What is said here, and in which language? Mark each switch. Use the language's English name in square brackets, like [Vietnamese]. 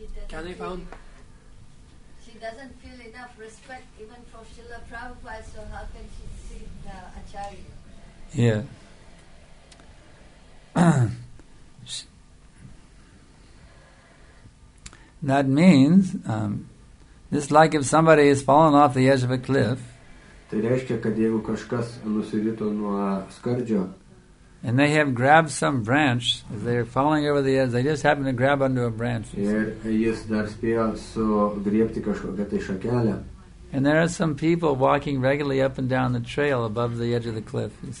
[English] She doesn't feel enough respect even for Srila Prabhupada, so how can she see the acharya? Yeah. That means, just like if somebody has fallen off the edge of a cliff, [Lithuanian] tai reiškia, kad jeigu kažkas nusirito nuo skardžio, [English] and they have grabbed some branch, as they're falling over the edge, they just happen to grab under a branch. And there are some people walking regularly up and down the trail above the edge of the cliff.